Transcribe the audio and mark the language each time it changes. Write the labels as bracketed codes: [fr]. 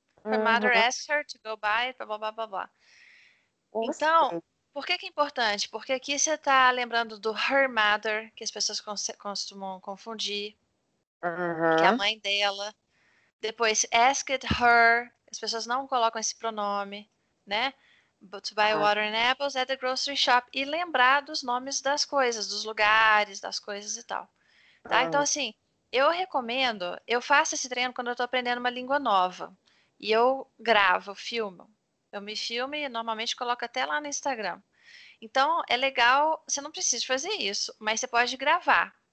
[en] Her mother asked her to go by, blá, blá, blá, blá, blá. [pt] Então, por que que é importante? Porque aqui você tá lembrando do her mother, que as pessoas costumam confundir, que é a mãe dela. Depois, asked her, as pessoas não colocam esse pronome, né? [en] But to buy water and apples at the grocery shop. [pt] E lembrar dos nomes das coisas, dos lugares, das coisas e tal. Tá? Então, assim, eu recomendo, eu faço esse treino quando eu tô aprendendo uma língua nova. E eu gravo, filmo. Eu me filmo e normalmente coloco até lá no Instagram. Então, é legal, você não precisa fazer isso, mas você pode gravar.